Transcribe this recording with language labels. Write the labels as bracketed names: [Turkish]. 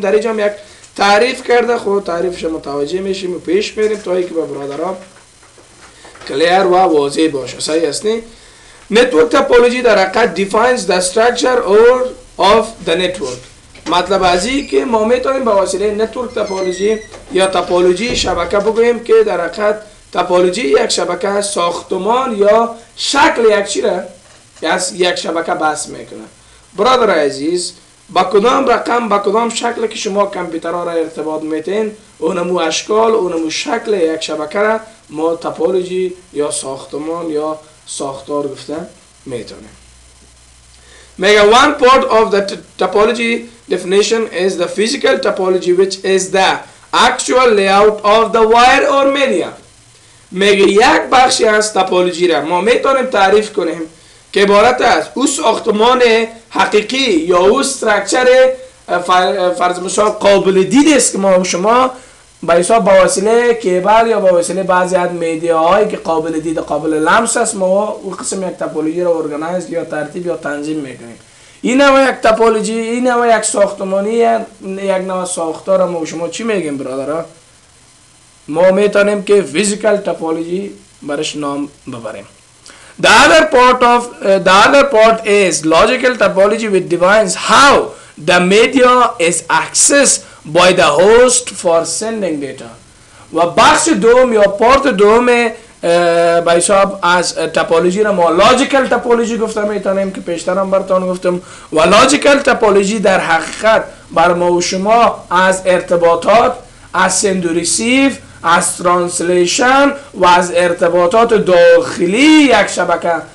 [Persian] در اینجا هم یک تعریف کرده خود تعریفش متوجه میشیم و پیش میریم تا اینکه به برادران کلیر و واضح باشه، صحیح است نی؟ نتورک تپولوژی در حقیقت [English] defines the structure or of the network, [Persian] مطلب از این که ما میتونیم به واسطه نتورک تپولوژی یا تپولوژی شبکه بگوییم که در حقیقت تپولوژی یک شبکه ساختمان یا شکل یک چی را از یک شبکه بس میکنه. برادر عزیز با کدام رقم با کدام شکل که شما کامپیوترها را ارتباط میتین اونمو اشکال اونمو شکل یک شبکه را ما تپولوژی یا ساختمان یا ساختار گفته میتونیم. میگه [English] one part of the topology definition is the physical topology which is the actual layout of the wire or media. [Persian] میگه یک بخشی از تپولوژی را ما میتونیم تعریف کنیم که عبارت از او ساختمان حقیقی یا او استرکچر فرض مثال قابل دید است که ما شما به حساب به وسیله کیبل یا به وسیله بعضی از میدیاهایی که قابل دید قابل لمس است ما او قسم یک تپولوژی را ارگانایز یا ترتیب یا تنظیم میکنیم. این هم یک تپولوژی، این هم یک ساختمانی، یک نوع ساختار ما شما چی میگیم برادر؟ ما میتونیم که فیزیکال تپولوژی برش نام ببریم. [English] The other part is logical topology which defines how the media is accessed by the host for sending data. [Persian] و بخش دوم یا پارت دوم به حساب از تپولوژی را ما logical topology گفتم میتونیم که پیشترم برتون گفتم و logical topology در حقیقت بر ما و شما از ارتباطات از send و receive از ترانسلیشن و از ارتباطات داخلی یک شبکه